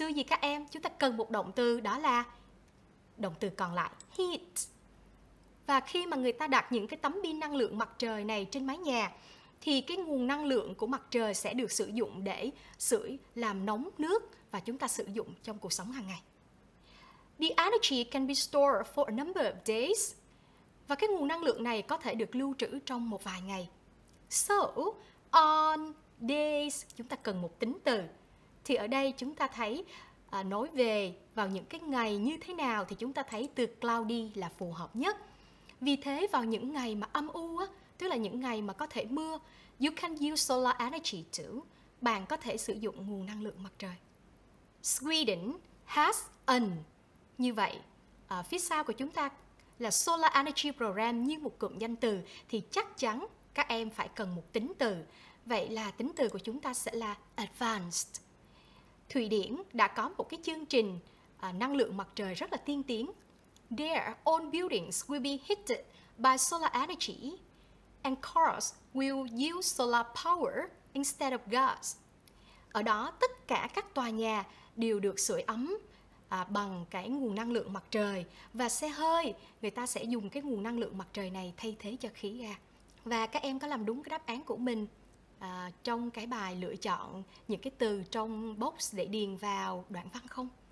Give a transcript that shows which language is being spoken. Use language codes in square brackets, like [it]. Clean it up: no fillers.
[vi] Chứ gì các em, chúng ta cần một động từ, đó là động từ còn lại, heat. Và khi mà người ta đặt những cái tấm pin năng lượng mặt trời này trên mái nhà, thì cái nguồn năng lượng của mặt trời sẽ được sử dụng để sưởi làm nóng nước và chúng ta sử dụng trong cuộc sống hàng ngày. [en] The energy can be stored for a number of days. [vi] Và cái nguồn năng lượng này có thể được lưu trữ trong một vài ngày. [en] So, on days, [vi] chúng ta cần một tính từ. Thì ở đây chúng ta thấy nói về vào những cái ngày như thế nào thì chúng ta thấy từ cloudy là phù hợp nhất. Vì thế vào những ngày mà âm u, tức là những ngày mà có thể mưa, [en] you can use solar energy too. [vi] Bạn có thể sử dụng nguồn năng lượng mặt trời. [en] Sweden has an. [vi] Như vậy, phía sau của chúng ta là solar energy program như một cụm danh từ thì chắc chắn các em phải cần một tính từ. Vậy là tính từ của chúng ta sẽ là advanced. Thụy Điển đã có một cái chương trình năng lượng mặt trời rất là tiên tiến. [en] Their own buildings will be heated by solar energy and cars will use solar power instead of gas. [vi] Ở đó, tất cả các tòa nhà đều được sưởi ấm bằng cái nguồn năng lượng mặt trời và xe hơi, người ta sẽ dùng cái nguồn năng lượng mặt trời này thay thế cho khí ga. Và các em có làm đúng cái đáp án của mình trong cái bài lựa chọn những cái từ trong box để điền vào đoạn văn không?